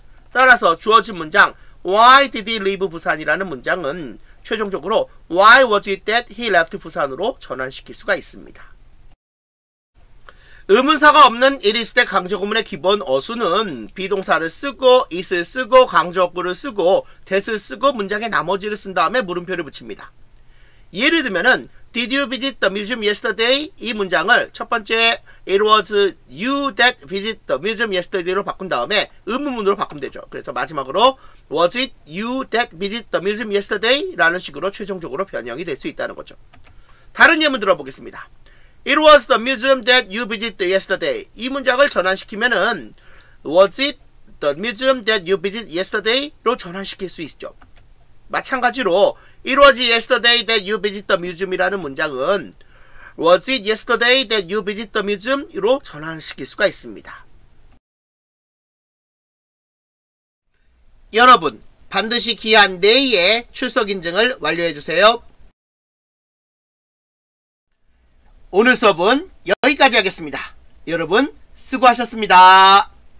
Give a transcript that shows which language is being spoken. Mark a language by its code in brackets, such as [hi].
[ko] 따라서 주어진 문장 [en] Why did he leave Busan이라는 [ko] 문장은 최종적으로 [en] Why was it that he left Busan으로 [ko] 전환시킬 수가 있습니다. 의문사가 없는 1일시대 강조구문의 기본 어순은 비동사를 쓰고, it을 쓰고, 강조어구를 쓰고, that을 쓰고 문장의 나머지를 쓴 다음에 물음표를 붙입니다. 예를 들면은 [en] Did you visit the museum yesterday? [ko] 이 문장을 첫 번째 [en] It was you that visit the museum yesterday [ko] 로 바꾼 다음에 의문문으로 바꾸면 되죠. 그래서 마지막으로 [en] Was it you that visit the museum yesterday? [ko] 라는 식으로 최종적으로 변형이 될 수 있다는 거죠. 다른 예문 들어보겠습니다. [en] It was the museum that you visited yesterday. [ko] 이 문장을 전환시키면은 [en] Was it the museum that you visited yesterday? [ko] 로 전환시킬 수 있죠. 마찬가지로 [en] It was yesterday that you visited the museum 이라는 [ko] 문장은 [en] Was it yesterday that you visited the museum? [ko] 로 전환시킬 수가 있습니다. 여러분, 반드시 기한 내에 출석 인증을 완료해주세요. 오늘 수업은 여기까지 하겠습니다. 여러분, 수고하셨습니다.